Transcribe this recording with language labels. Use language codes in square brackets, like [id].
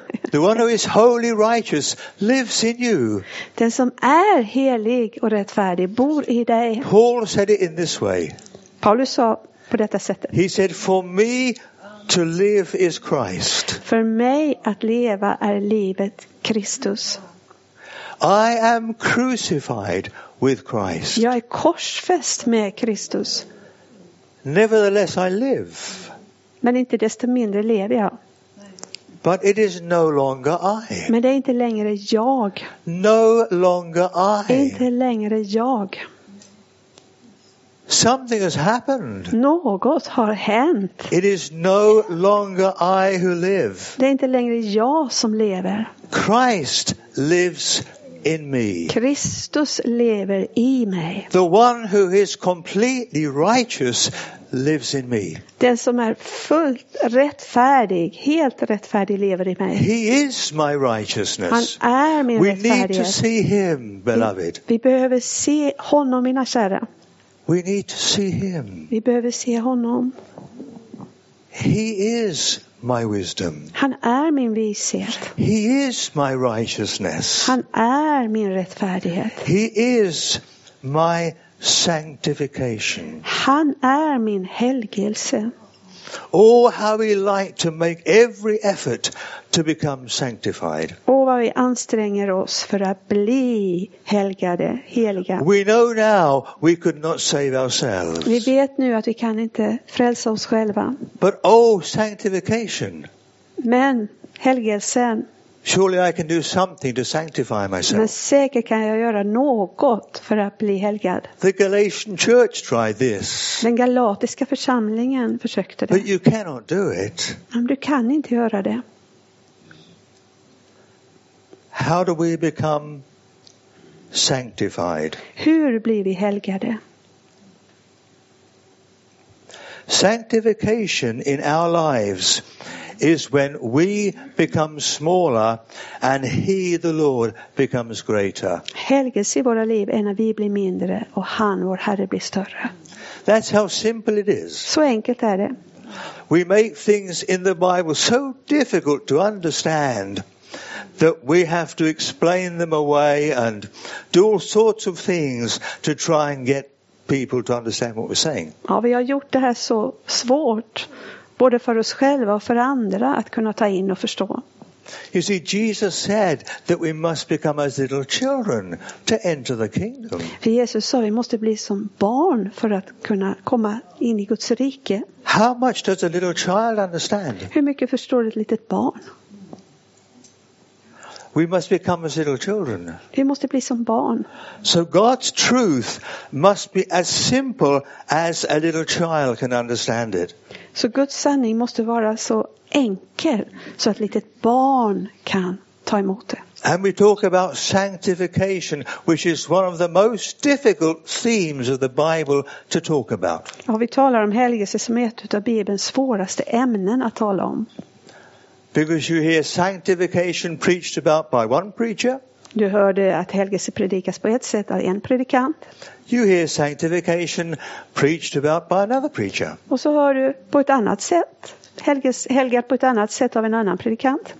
[en] The one who is holy righteous lives in you. [sv] Den som är helig och rättfärdig bor i dig. [en] Paul said it in this way. [sv] Paulus sa på detta sättet. [en] He said, "For me to live is Christ." [sv] För mig att leva är livet Kristus. [en] I am crucified with Christ. [sv] Jag är korsfäst med Kristus. [en] Nevertheless, I live. [sv] Men inte desto mindre lever jag. [en] But it is no longer I. [sv] Men det är inte längre jag. [en] No longer I. [sv] Inte längre jag. [en] Something has happened. [sv] Något har hänt. [en] It is no longer I who live. [sv] Det är inte längre jag som lever. [en] Christ lives in me. [sv] Kristus lever i mig. [en] The one who is completely righteous lives in me. [sv] Den som är fullt rättfärdig, helt rättfärdig lever i mig. [en] He is my righteousness. [sv] Han är min rättfärdighet. [en] We need to see him, beloved. [sv] Vi behöver se honom, mina kära. [en] We need to see him. [sv] Vi behöver se honom. [en] He is my wisdom. [sv] Han är min vishet. [en] He is my righteousness. [sv] Han är min rättfärdighet. [en] He is my sanctification. [sv] Han är min helgelse. [en] Oh, how we like to make every effort to become sanctified. [sv] Oh, vad vi anstränger oss för att bli helgade, heliga. [en] We know now we could not save ourselves. [sv] Vi vet nu att vi kan inte frälsa oss själva. [en] But oh, sanctification. [sv] Men helgelsen. [en] Surely I can do something to sanctify myself. [sv] Men säkert kan jag göra något för att bli helgad. [en] The Galatian church tried this. [sv] Den galatiska församlingen försökte det. [en] But you cannot do it. [sv] Men du kan inte göra det. [en] How do we become sanctified? [sv] Hur blir vi helgade? [en] Sanctification in our lives is when we become smaller and he, the Lord, becomes greater. [sv] Helgelse i våra liv är när vi blir mindre och han, vår Herre, blir större. [en] That's how simple it is. [sv] Så enkelt är det. [en] We make things in the Bible so difficult to understand that we have to explain them away and do all sorts of things to try and get people to understand what we're saying. [sv] Ja, vi har gjort det här så svårt både för oss själva och för andra att kunna ta in och förstå. [en] You see, Jesus said that we must become as little children to enter the kingdom. [sv] För Jesus sa vi måste bli som barn för att kunna komma in i Guds rike. [en] How much does a little child understand? [sv] Hur mycket förstår ett litet barn? [en] We must become as little children. [sv] Vi måste bli som barn. [en] So God's truth must be as simple as a little child can understand it. [sv] Så Guds sanning måste vara så enkel så att ett litet barn kan ta emot det. [en] And we talk about sanctification, which is one of the most difficult themes of the Bible to talk about. [sv] Ja, vi talar om helgelse som ett utav Bibelns svåraste ämnen att tala om. [en] Because you hear sanctification preached about by one preacher. [sv] Du hörde att helgelse predikas på ett sätt av en predikant. [en] You hear sanctification preached about by another preacher. [sv] Och så hör du på ett annat sätt. Helgat på ett annat sätt av en annan predikant.